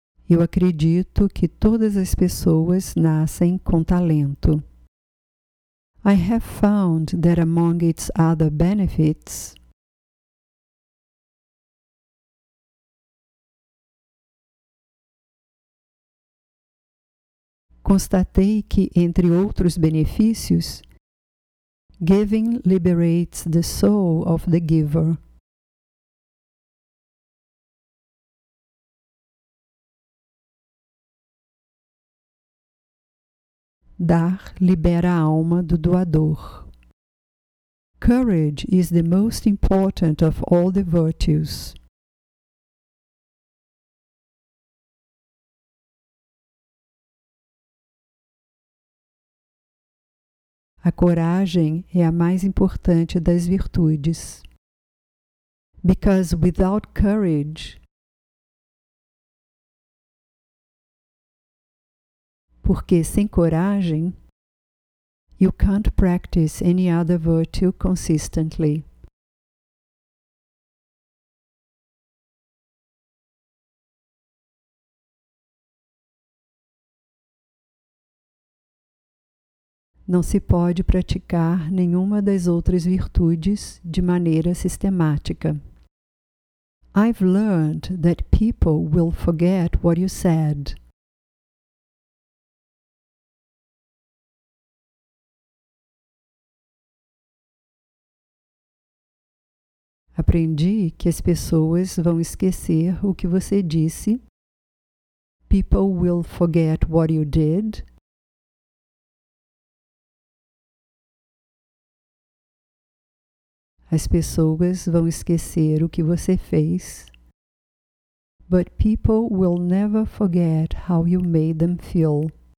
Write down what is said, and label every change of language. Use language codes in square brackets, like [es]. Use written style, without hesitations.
[pt] Eu acredito que todas as pessoas nascem com talento. [en] I have found that among its other benefits, [pt] constatei que, entre outros benefícios, [en] giving liberates the soul of the giver. [pt] Dar libera a alma do doador. [en] Courage is the most important of all the virtues. [pt] A coragem é a mais importante das virtudes. [en] Because without courage, [pt] porque sem coragem, [en] you can't practice any other virtue consistently. [pt] Não se pode praticar nenhuma das outras virtudes de maneira sistemática. [en] I've learned that people will forget what you said. [pt] Aprendi que as pessoas vão esquecer o que você disse. [en] People will forget what you did. [pt] As pessoas vão esquecer o que você fez. [en] But people will never forget how you made them feel.